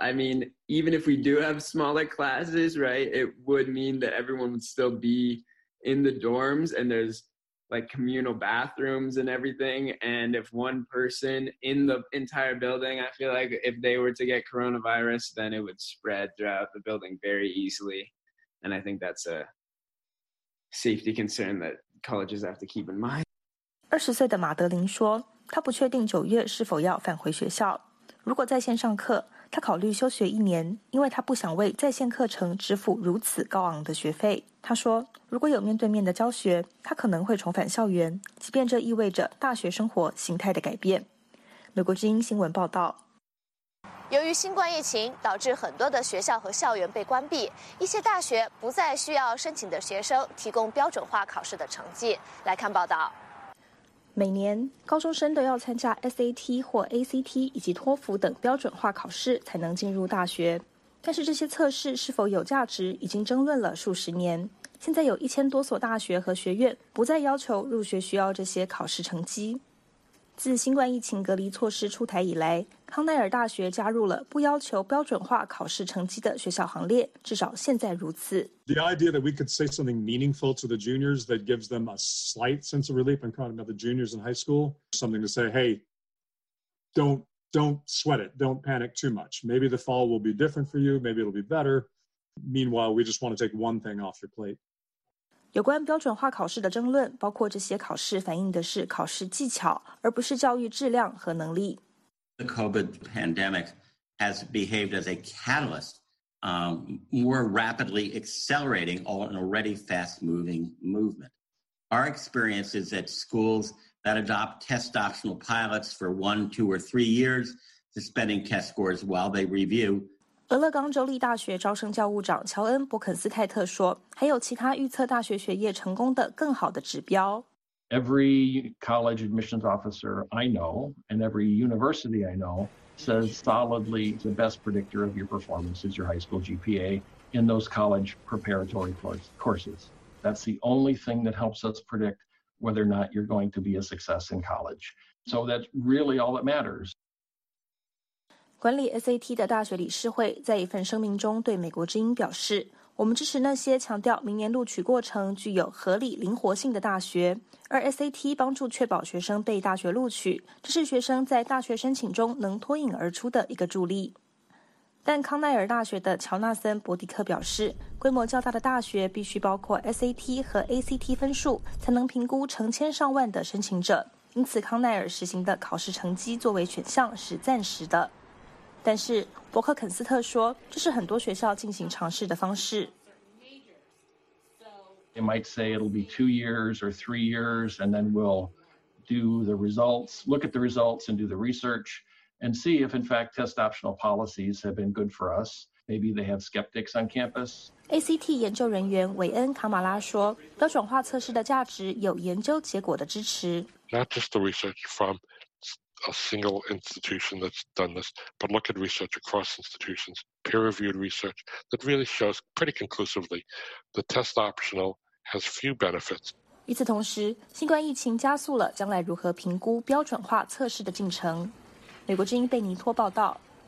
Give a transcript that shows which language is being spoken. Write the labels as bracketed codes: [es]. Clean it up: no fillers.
[en] I mean, even if we do have smaller classes, right, it would mean that everyone would still be in the dorms and there's like communal bathrooms and everything. And if one person in the entire building, I feel like if they were to get coronavirus, then it would spread throughout the building very easily. And I think that's a... safety concern that colleges have to keep in mind. [zh] 20岁的马德琳说，她不确定9月是否要返回学校。如果在线上课，她考虑休学一年，因为她不想为在线课程支付如此高昂的学费。她说，如果有面对面的教学，她可能会重返校园，即便这意味着大学生活形态的改变。美国之音新闻报道。由于新冠疫情导致很多的学校和校园被关闭，一些大学不再需要申请的学生提供标准化考试的成绩。来看报道。每年高中生都要参加 SAT 或 ACT 以及托福等标准化考试才能进入大学，但是这些测试是否有价值已经争论了数十年。现在有1000多所大学和学院不再要求入学需要这些考试成绩。自新冠疫情隔离措施出台以来，康奈尔大学加入了不要求标准化考试成绩的学校行列，至少现在如此。 [en] The idea that we could say something meaningful to the juniors that gives them a slight sense of relief, I'm talking about the juniors in high school, something to say, hey, don't sweat it, don't panic too much. Maybe the fall will be different for you, maybe it'll be better. Meanwhile, we just want to take one thing off your plate. [zh] 有关标准化考试的争论，包括这些考试反映的是考试技巧，而不是教育质量和能力。 [en] The COVID pandemic has behaved as a catalyst more rapidly accelerating an already fast-moving movement. Our experience is that schools that adopt test optional pilots for 1, 2, or 3 years, suspending test scores while they review. [zh] 俄勒冈州立大学招生教务长乔恩·伯肯斯泰特说，还有其他预测大学学业成功的更好的指标。 [en] Every college admissions officer I know and every university I know says solidly the best predictor of your performance is your high school GPA in those college preparatory courses. That's the only thing that helps us predict whether or not you're going to be a success in college. So that's really all that matters. [zh] 管理 SAT 的大学理事会在一份声明中对美国之音表示，我们支持那些强调明年录取过程具有合理灵活性的大学，而 SAT 帮助确保学生被大学录取，这是学生在大学申请中能脱颖而出的一个助力。但康奈尔大学的乔纳森·伯迪克表示，规模较大的大学必须包括 SAT 和 ACT 分数，才能评估成千上万的申请者，因此康奈尔实行的考试成绩作为选项是暂时的。但是伯克肯斯特说，这是很多学校进行尝试的方式。 [en] They might say it'll be 2 years or 3 years, and then we'll do the results, look at the results, and do the research, and see if in fact test optional policies have been good for us. Maybe they have skeptics on campus. [zh] ACT 研究人员韦恩·卡马拉说，标准化测试的价值有研究结果的支持。 [en] Not just the research from. A single institution that's done this, but look at research across institutions, peer-reviewed research that really shows pretty conclusively the test optional has few benefits. [zh] 与此同时，新冠疫情加速了将来如何评估标准化测试的进程。美国之音贝尼托报道。